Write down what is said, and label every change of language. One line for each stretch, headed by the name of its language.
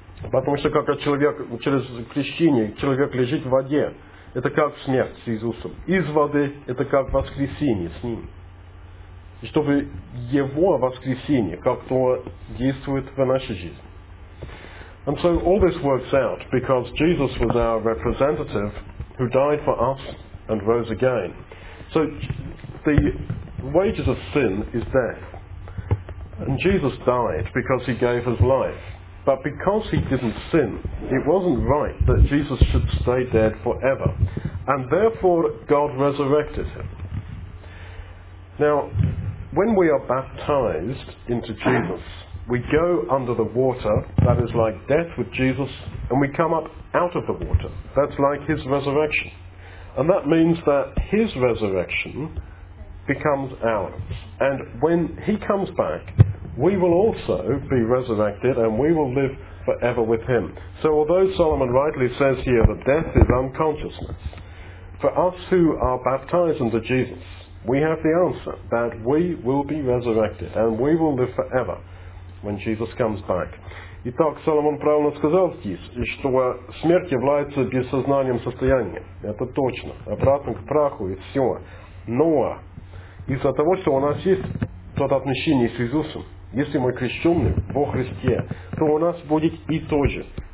Russian: Потому что как человек через крещение, человек лежит в воде, это как смерть с Иисусом. Из воды это как воскресение с Ним. И чтобы Его воскресение как-то действует в нашей жизни.
English: And so all this works out because Jesus was our representative who died for us and rose again. So the wages of sin is death. And Jesus died because he gave his life. But because he didn't sin, it wasn't right that Jesus should stay dead forever. And therefore, God resurrected him. Now, when we are baptized into Jesus, we go under the water, that is like death with Jesus, and we come up out of the water, that's like his resurrection. And that means that his resurrection becomes ours. And when he comes back, we will also be resurrected and we will live forever with him. So although Solomon rightly says here that death is unconsciousness, for us who are baptized into Jesus, we have the answer that we will be resurrected and we will live forever when Jesus comes back.
Russian: Итак, Соломон правильно сказал здесь, что смерть является бессознанием состоянием. Это точно. Обратно к праху и все. Но из-за того, что у нас есть то отношение с Иисусом, если мы крещены во Христе, то у нас будет и то же.